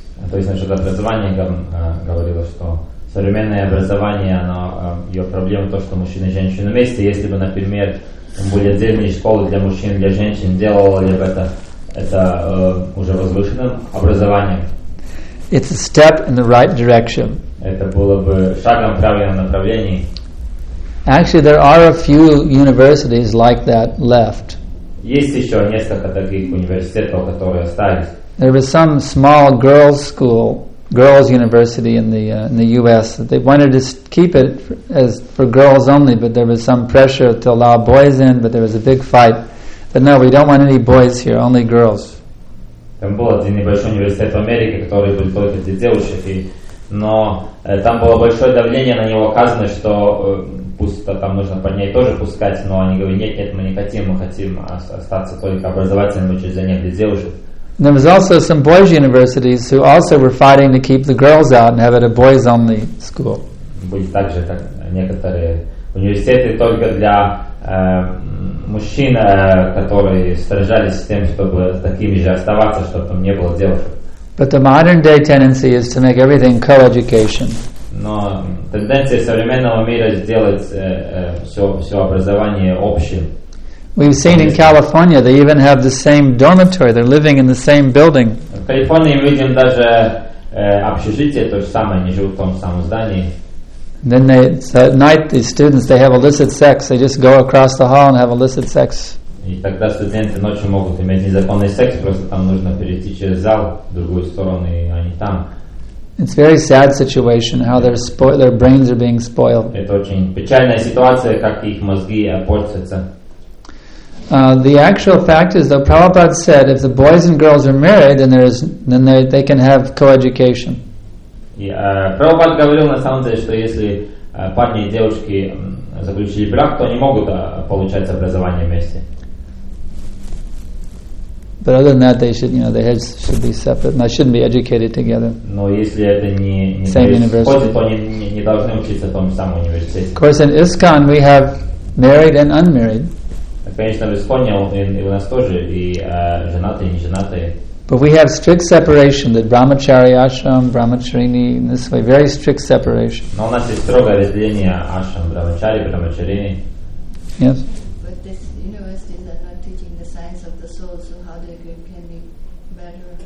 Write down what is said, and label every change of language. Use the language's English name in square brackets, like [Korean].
[Russian] То есть насчет образования говорила, что современное образование, оно ее проблема в том, что мужчины и женщины вместе. Если бы, например, были отдельные школы для мужчин, для женщин, делало ли бы это уже возвышенным образованием? [English] It's a step in the right direction. [Russian] Это было бы шагом в правильном направлении. [English] Actually, there are a few universities like that left. [Russian] Есть еще несколько таких университетов, которые остались. [English] There was some small girls' school, girls' university in the U.S. They wanted to keep it for girls only, but there was some pressure to allow boys in. But there was a big fight. But no, we don't want any boys here, only girls. [Russian] Там был один небольшой университет в Америке, который был только для девушек, но там было большое давление на него оказано, что пусть там нужно парней тоже пускать, но они говорили нет, мы хотим остаться только образовательным учреждением для девушек. [English] There was also some boys' universities who also were fighting to keep the girls out and have it a boys-only school. [Russian] Были также как некоторые университеты только для мужчин, которые сражались с тем, чтобы такими же оставаться, чтобы там не было девушек. [English] But the modern-day tendency is to make everything co-education. [Russian] Но тенденция современного мира сделать все образование общим. [English] We've seen in California they even have the same dormitory. They're living in the same building. [Russian] В Калифорнии мы видим даже общежитие то же самое, они живут в том самом здании. [English] Then they, so at night, the students they have illicit sex. They just go across the hall and have illicit sex. [Russian] И тогда студенты ночью могут иметь незаконный секс, просто там нужно перейти через зал в другую сторону, и они там. [English] It's a very sad situation how their brains are being spoiled. [Russian] Это очень печальная ситуация, как их мозги портятся. [English] The actual fact is, though, Prabhupada said, if the boys and girls are married, then they can have co-education. [Russian] Prabhupada говорил на самом деле, что если парни и девушки заключили брак, то они могут получать образование вместе. [English] But other than that, they should be separate. They shouldn't be educated together. [Russian] Но если это не [English] same university. [Russian] Входит, то они не должны учиться в том же самом университете. [English] Of course, in ISKCON we have married and unmarried. [Russian] Конечно, в Исконе у нас тоже и женатые, и неженатые. [English] But we have strict separation, the brahmachari ashram, brahmacharini, in this way, very strict separation. [Russian] Но у нас есть строгое разделение ашрам, брахмачари, брахмачарини. [English] Yes. But this university is not teaching the science of the soul, so how they can be better?